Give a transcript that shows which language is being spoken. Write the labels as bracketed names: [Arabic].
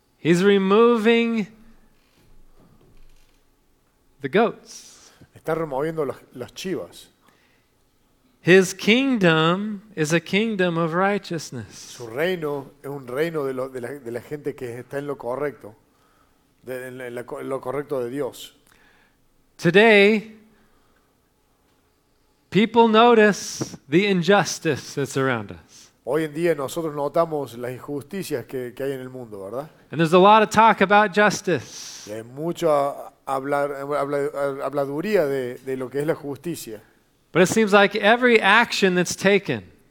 [English] He's removing the goats. [Spanish] Está removiendo las chivas. [English] His kingdom is a kingdom of righteousness. [Spanish] Su reino es un reino de la gente que está en lo correcto, en lo correcto de Dios. [English] Today, people notice the injustice that's around us. [Spanish] Hoy en día nosotros notamos las injusticias que hay en el mundo, ¿verdad? [English] And there's a lot of talk about justice. [Spanish] Y hay mucho habladuría de lo que es la justicia. [English] But it seems like every action that's taken,